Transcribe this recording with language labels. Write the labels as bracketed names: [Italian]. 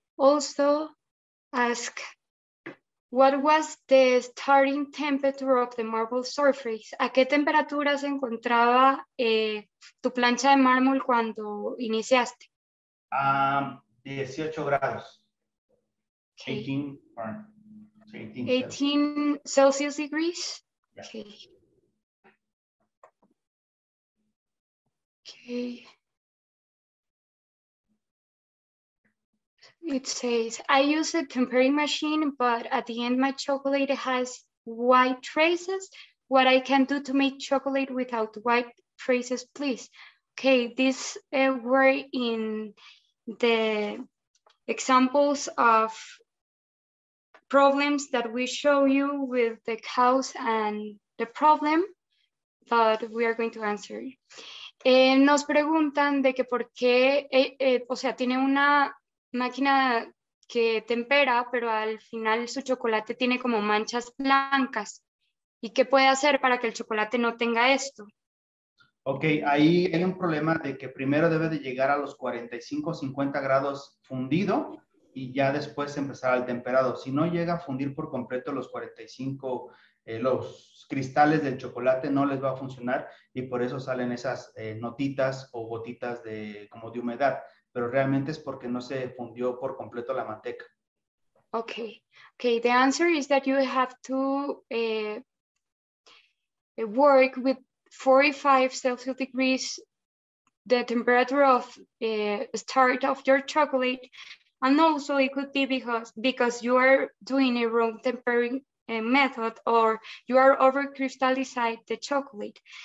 [English] Also, ask, what was the starting temperature of the marble surface? [Spanish] ¿A qué temperatura se encontraba tu plancha de mármol cuando iniciaste? 18 grados. [English] Okay. 18 Celsius degrees. Yeah. Okay. Okay. It says I use a tempering machine, but at the end my chocolate has white traces. What I can do to make chocolate without white traces, please? Okay, these were in the examples of problems that we show you with the cows and the problem, but we are going to answer. [Spanish] Nos preguntan de que por qué, o sea, tiene una máquina que tempera, pero al final su chocolate tiene como manchas blancas. ¿Y qué puede hacer para que el chocolate no tenga esto? Ok, ahí hay un problema de que primero debe de llegar a los 45 o 50 grados fundido, y ya después empezar al temperado. Si no llega a fundir por completo los 45, los cristales del chocolate no les va a funcionar y por eso salen esas notitas o gotitas de como de humedad. Pero realmente es porque no se fundió por completo la manteca. [English] Okay, okay. The answer is that you have to work with 45 Celsius degrees, the temperature of start of your chocolate. And also it could be because you are doing a wrong tempering method or you are over crystallizing the chocolate.